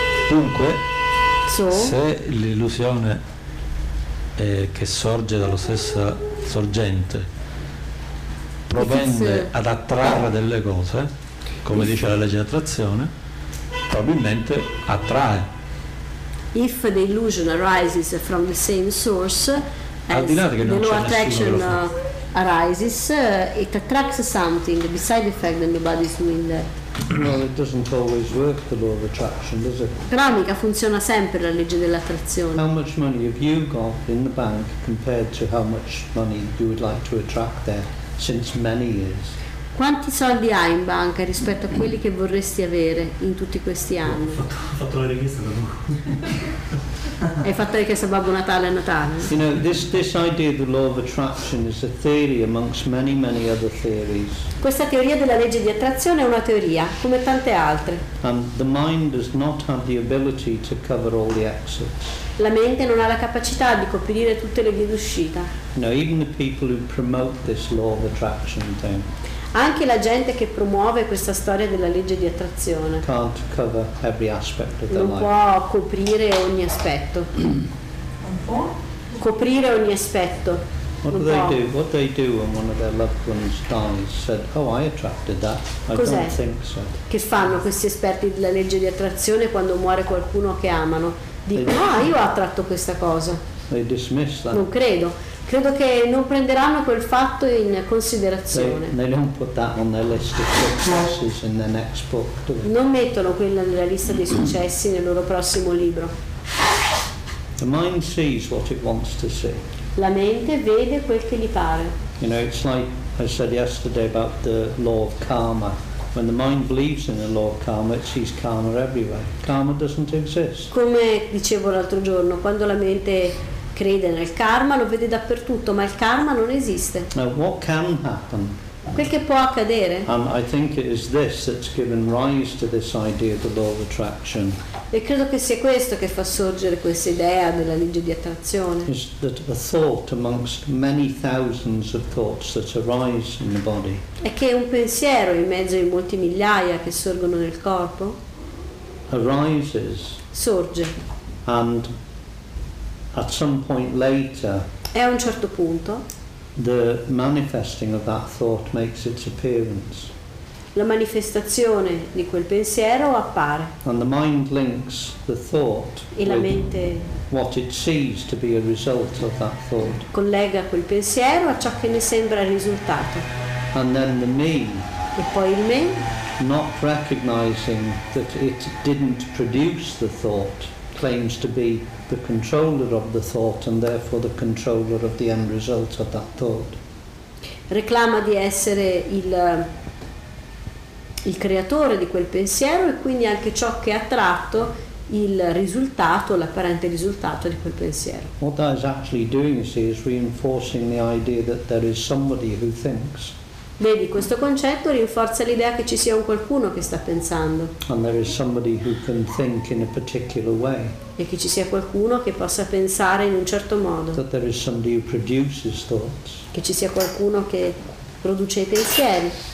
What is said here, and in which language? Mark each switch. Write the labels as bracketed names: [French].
[Italian] Dunque, se l'illusione è che sorge dallo stesso sorgente provende ad attrarre delle cose, come dice la legge di attrazione, probabilmente attrae. [English] If the illusion arises from the same source, as the law attraction arises, it attracts something beside the fact that nobody's doing that. Well, it doesn't always work, the law of attraction, does it? [Italian] Però mica funziona sempre la legge dell'attrazione. [English] How much money have you got in the bank compared to how much money you would like to attract there since many years? [Italian] quanti soldi hai in banca rispetto a quelli che vorresti avere in tutti questi anni? Ho fatto la richiesta da Babbo. Hai fatto la richiesta a Babbo Natale a Natale? [English] You know, this idea of the law of attraction is a theory amongst many, many other theories. [Italian] Questa teoria della legge di attrazione è una teoria, come tante altre. [English] The mind does not have the ability to cover all the exits. [Italian] La mente non ha la capacità di coprire tutte le vie d'uscita. [English] No, even the people who promote this law of attraction thing. [Italian] Anche la gente che promuove questa storia della legge di attrazione [English] can't cover every aspect of [Italian] non [English] life. [Italian] Può coprire ogni aspetto. Coprire ogni aspetto. [English] What do they do? What they do when one of their loved ones dies? Said, "Oh, I attracted that." [Italian] Cos'è? [English] Don't think so. [Italian] Che fanno questi esperti della legge di attrazione quando muore qualcuno che amano? Dicono, "Ah, io ho attratto questa cosa." [English] They dismiss that. [Italian] Non credo. Credo che non prenderanno quel fatto in considerazione. [English] They don't put that on their list of successes in their next book. [Italian] Non mettono quella nella lista dei successi nel loro prossimo libro. [English] The mind sees what it wants to see. [Italian] La mente vede quel che gli pare. [English] You know, it's like I said yesterday about the law of karma. When the mind believes in the law of karma, it sees karma everywhere. Karma doesn't exist. [Italian] Come dicevo l'altro giorno, quando la mente crede nel karma, lo vede dappertutto, ma il karma non esiste. [English] Now, what can happen? [Italian] Quel che può accadere? [English] I think it is this that's given rise to this idea of the law of attraction. [Italian] E credo che sia questo che fa sorgere questa idea della legge di attrazione. [English] Is that a thought amongst many thousands of thoughts that arise in the body? [Italian] È che un pensiero in mezzo ai molti migliaia che sorgono nel corpo? [English] Arises. [Italian] Sorge. [English] And at some point later. [Italian] È a un certo punto. [English] The manifesting of that thought makes its appearance. [Italian] La manifestazione di quel pensiero appare. [English] And the mind links the thought [Italian] e la mente [English] with what it sees to be a result of that thought. [Italian] Collega quel pensiero a ciò che ne sembra il risultato. [English] And then the me. [Italian] E poi il me. [English] Not recognizing that it didn't produce the thought, claims to be the controller of the thought and therefore the controller of the end result of that thought. [Italian] Reclama di essere il creatore di quel pensiero e quindi anche ciò che ha tratto il risultato, l'apparente risultato di quel pensiero. [English] What that is actually doing is reinforcing the idea that there is somebody who thinks. [Italian] Vedi, questo concetto rinforza l'idea che ci sia un qualcuno che sta pensando. [English] And there is somebody who can think in a particular way. [Italian] E che ci sia qualcuno che possa pensare in un certo modo. [English] That there is somebody who produces thoughts. [Italian] Che ci sia qualcuno che produce i pensieri.